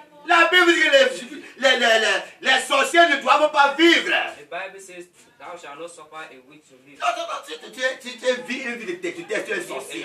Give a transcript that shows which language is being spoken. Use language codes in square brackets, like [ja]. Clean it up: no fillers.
[fr] La Bible dit que les sorciers ne doivent pas vivre. [en] The Bible says thou shalt not suffer a witch to live. [fr] Tu vis une vie de têtutesse, tu es sorcier.